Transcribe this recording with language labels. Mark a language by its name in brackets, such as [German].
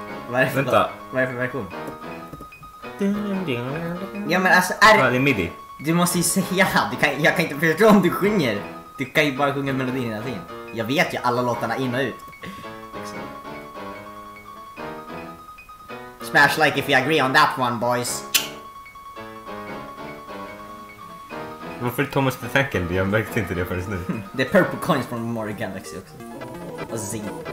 [Swedish] Vad är det för version? Ja, men alltså, det är midi. Du måste ju säga, jag kan inte förstå om du sjunger. Du kan ju bara sjunga melodin hela tiden. Jag vet ju alla låtarna in och ut. [English] Smash like if you agree on that one, boys. [Swedish] Varför Thomas the Second? Jag märkte inte det förrän nu. Det är purple coins från Mario Galaxy också. Och zing.